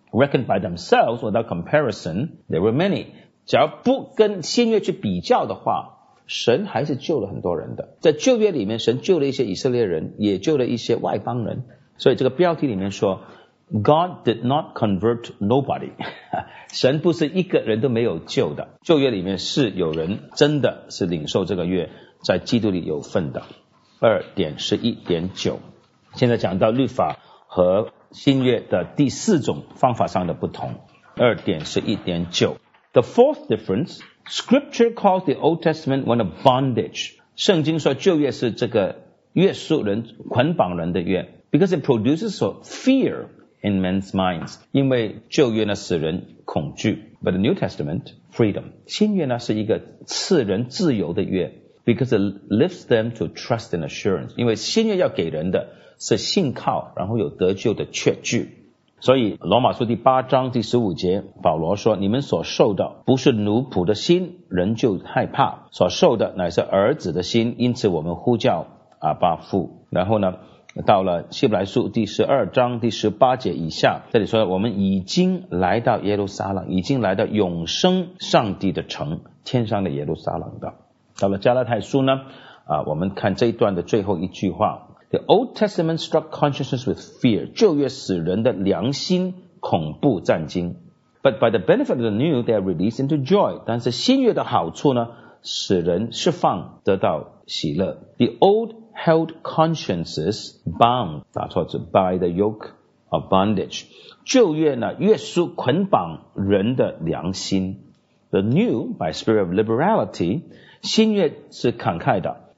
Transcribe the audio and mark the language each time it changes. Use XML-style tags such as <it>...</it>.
<en>Reckoned by themselves, without comparison, there were many.</en> <zh>只要不跟新约去比较的话，神还是救了很多人的。在旧约里面，神救了一些以色列人，也救了一些外邦人。所以这个标题里面说</zh> <en>God did not convert nobody.</en> <zh>神不是一个人都没有救的。旧约里面是有人真的是领受这个约，在基督里有份的。 2.11.9 现在讲到律法和新约的第四种方法上的不同。</zh> <en>2.11.9 The fourth difference, Scripture calls the Old Testament one of bondage.</en> <zh>圣经说旧约是这个约束人、捆绑人的约。</zh> <en>Because it produces fear in men's minds.</en> <zh>因为旧约呢使人恐惧。</zh> <en>But the New Testament, freedom.</en> <zh>新约呢是一个赐人自由的约。</zh> <en>Because it lifts them to trust and assurance.</en> <zh>因为新约要给人的是信靠，然后有得救的确据。所以罗马书第八章第十五节，保罗说，你们所受的不是奴仆的心，仍旧害怕，所受的乃是儿子的心，因此我们呼叫阿爸父。然后呢，到了希伯来书第十二章第十八节以下，这里说我们已经来到耶路撒冷，已经来到永生上帝的城，天上的耶路撒冷的。到了加拉太书呢，我们看这一段的最后一句话，</zh> <en>The Old Testament struck consciousness with fear.</en> <zh>旧约使人的良心恐怖战惊。</zh> <en>But by the benefit of the new, they are released into joy.</en> <zh>但是新约的好处呢，使人释放得到喜乐。</zh> <en>The old held consciences bound.</en> <zh>打错字</zh> <en>by the yoke of bondage.</en> <zh>旧约呢，约束捆绑人的良心。</zh> <en>The new, by spirit of liberality,</en> <zh>新约是慷慨的。</zh>